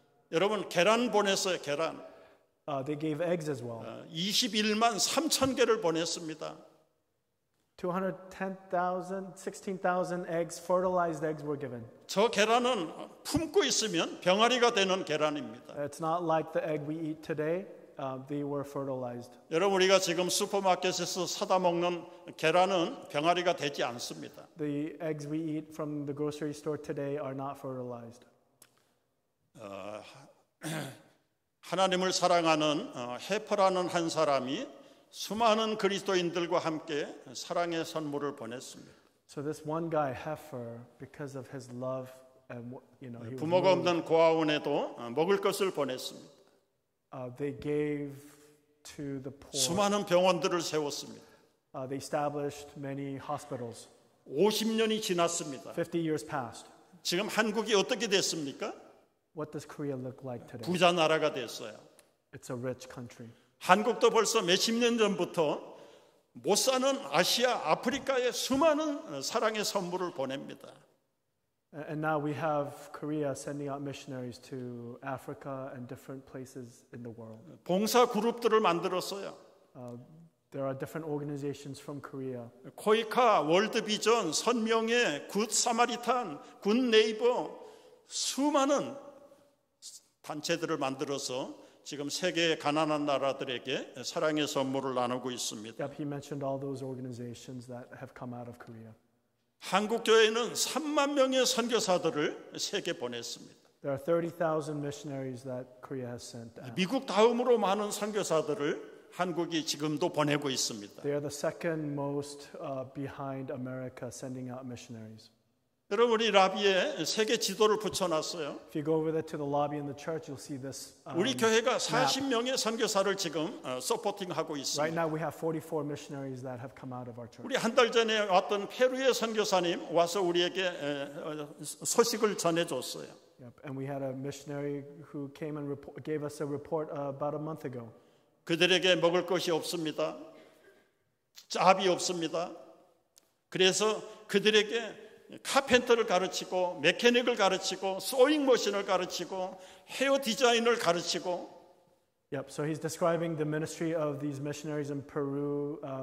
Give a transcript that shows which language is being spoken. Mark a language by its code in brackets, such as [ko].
[ko] 여러분, 계란 보냈어요, 계란. [en] They gave eggs as well. [ko] 21만 3천 개를 보냈습니다. [en] 210,000, 16,000 eggs, fertilized eggs were given. [ko] 저 계란은 품고 있으면 병아리가 되는 계란입니다. [en] It's not like the egg we eat today. They were fertilized. [ko] 여러분 우리가 지금 슈퍼마켓에서 사다 먹는 계란은 병아리가 되지 않습니다. [en] The eggs we eat from the grocery store today are not fertilized. [ko] 하나님을 사랑하는 해퍼라는 한 사람이 수많은 그리스도인들과 함께 사랑의 선물을 보냈습니다. [en] So this one guy Heffer, because of his love and you know, [ko] 부모가 없는 고아원에도 먹을 것을 보냈습니다. [en] They gave to the poor. [ko] 수많은 병원들을 세웠습니다. [en] They established many hospitals. [ko] 50년이 지났습니다. [en] 50 years passed. [ko] 지금 한국이 어떻게 됐습니까? [en] What does Korea look like today? [ko] 부자 나라가 됐어요. [en] It's a rich country. [ko] 한국도 벌써 몇십 년 전부터 못 사는 아시아, 아프리카에 수많은 사랑의 선물을 보냅니다. [en] And now we have Korea sending out missionaries to Africa and different places in the world. [ko] 봉사 그룹들을 만들었어요. [en] There are different organizations from Korea. [ko] 코이카, 월드비전, 선명회, 굿사마리탄, 굿네이버, 수많은 단체들을 만들어서 지금 세계 가난한 나라들에게 사랑의 선물을 나누고 있습니다. [en] Yep, he mentioned all those organizations that have come out of Korea. [ko] 한국 교회는 3만 명의 선교사들을 세계 보냈습니다. [en] There are 30,000 missionaries that Korea has sent. [ko] 미국 다음으로 많은 선교사들을 한국이 지금도 보내고 있습니다. [en] They are the second most behind America sending out missionaries. [ko] 여러분, 이 라비에 세계 지도를 붙여놨어요. [en] If you go over there to the lobby in the church, you'll see this. [ko] 우리 교회가 40명의 선교사를 지금 서포팅하고 있습니다. [en] Right now, we have 44 missionaries that have come out of our church. [ko] 우리 한 달 전에 왔던 페루의 선교사님 와서 우리에게 소식을 전해줬어요. [en] Yep. And we had a missionary who came and gave us a report about a month ago. [ko] 그들에게 먹을 것이 없습니다. 잡이 없습니다. 그래서 그들에게 카펜터를 가르치고 메케닉을 가르치고 소잉 머신을 가르치고 헤어 디자인을 가르치고. [en] Yep. So he's describing the ministry of these missionaries in Peru.